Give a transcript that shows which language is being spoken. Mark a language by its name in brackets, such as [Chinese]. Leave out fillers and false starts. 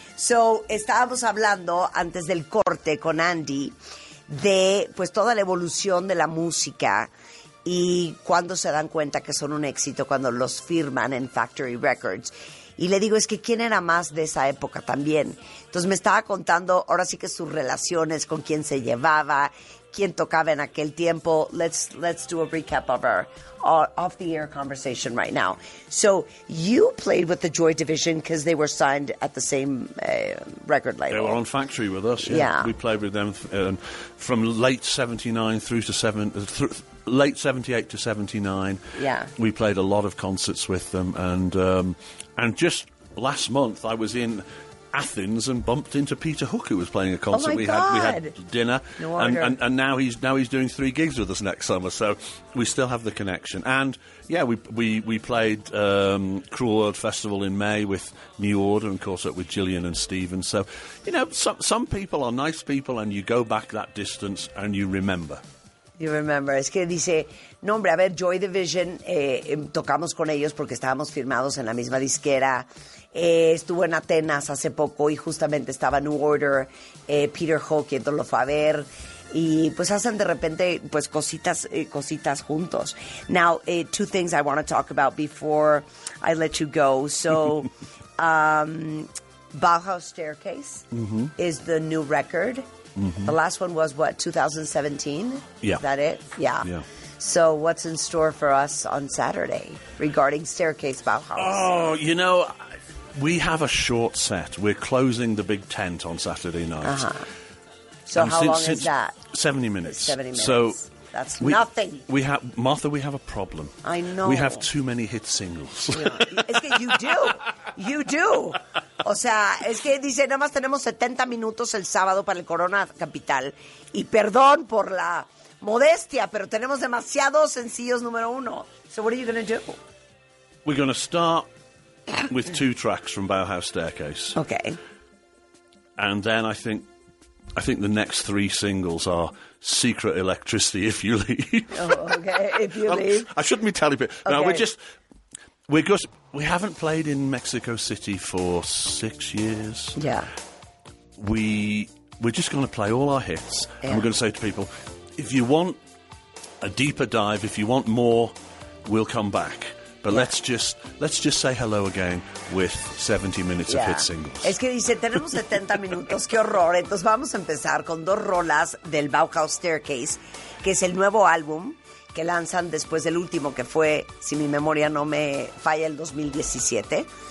[Spanish] So, estábamos hablando antes del corte con Andy de, pues, toda la evolución de la música y cuando se dan cuenta que son un éxito cuando los firman en Factory Records. Y le digo, es que ¿quién era más de esa época también? Entonces me estaba contando ahora sí que sus relaciones, con quién se llevaba, quién tocaba en aquel tiempo. [English] Let's do a recap of our off-the-air conversation right now. So you played with the Joy Division because they were signed at the same record label. They were on Factory with us. Yeah. We played with them from late 79 through to late 78 to 79. Yeah. We played a lot of concerts with them. And just last month I was in Athens and bumped into Peter Hook, who was playing a concert. Oh my God. We had dinner. No wonder. And now he's doing three gigs with us next summer, so we still have the connection. And yeah, we played Cruel World Festival in May with New Order and caught up with Gillian and Steven. So, you know, some people are nice people and you go back that distance and you remember. You remember. [Spanish] Es que dice, no hombre, a ver, Joy Division, tocamos con ellos porque estábamos firmados en la misma disquera. Estuvo en Atenas hace poco y justamente estaba New Order, Peter Hook, y entonces lo fue a ver. Y pues hacen de repente pues cositas juntos. [English] Now, two things I want to talk about before I let you go. So, Bauhaus Staircase is the new record. The last one was, what, 2017? Yeah. Is that it? Yeah. Yeah. So what's in store for us on Saturday regarding Staircase Bauhaus? Oh, you know, we have a short set. We're closing the big tent on Saturday night. Uh-huh. So and how since, long since is that? 70 minutes. 70 minutes. So that's nothing. We have Martha, we have a problem. I know. We have too many hit singles. Yeah. You do. You do. [Spanish] O sea, es que dice, nada más tenemos 70 minutos el sábado para el Corona Capital. Y perdón por la modestia, pero tenemos demasiados sencillos número uno. [English] So what are you going to do? We're going to start with two tracks from Bauhaus Staircase. Okay. And then I think the next three singles are Secret Electricity, If You Leave. Oh, okay, If You Leave. I shouldn't be telling people. Okay. No, we haven't played in Mexico City for 6 years. Yeah. We're just going to play all our hits. Yeah. And we're going to say to people, if you want a deeper dive, if you want more, we'll come back. But yeah. let's just say hello again with 70 minutes of hit singles. [Spanish] Es que dice, tenemos 70 minutos, qué horror. Entonces vamos a empezar con dos rolas del Bauhaus Staircase, que es el nuevo álbum que lanzan después del último, que fue, si mi memoria no me falla, el 2017.